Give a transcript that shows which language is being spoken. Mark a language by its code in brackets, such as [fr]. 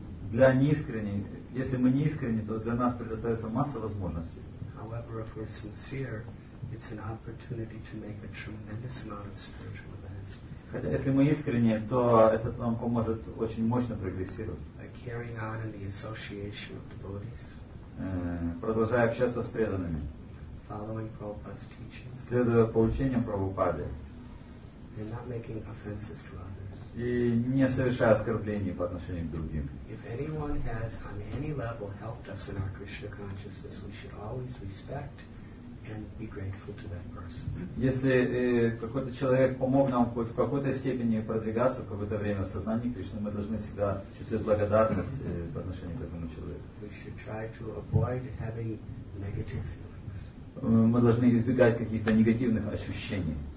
[ru] Для неискренних, если мы неискренни, то для нас предоставится масса возможностей. [en] However, if we're sincere, it's an opportunity to make a tremendous amount of spiritual advance. [ru] Хотя если мы искренни, то этот нам поможет очень мощно прогрессировать. [en] By carrying on in the association of devotees. [ru] Продолжая общаться с преданными. [en] Following Prabhupada's teachings. [ru] Следуя поучениям Прабхупады. [en] And not making offenses to others. [ru] И не совершая оскорблений по отношению к другим. [en] If anyone has on any level helped us in our Krishna consciousness, we should always respect and be grateful to that person. [ru] Если какой-то человек помог нам хоть в какой-то степени продвигаться в какое-то время в сознании Кришны, мы должны всегда чувствовать благодарность по отношению к этому человеку. [en] We should try to avoid having negative feelings. [ru] Мы должны избегать каких-то негативных ощущений.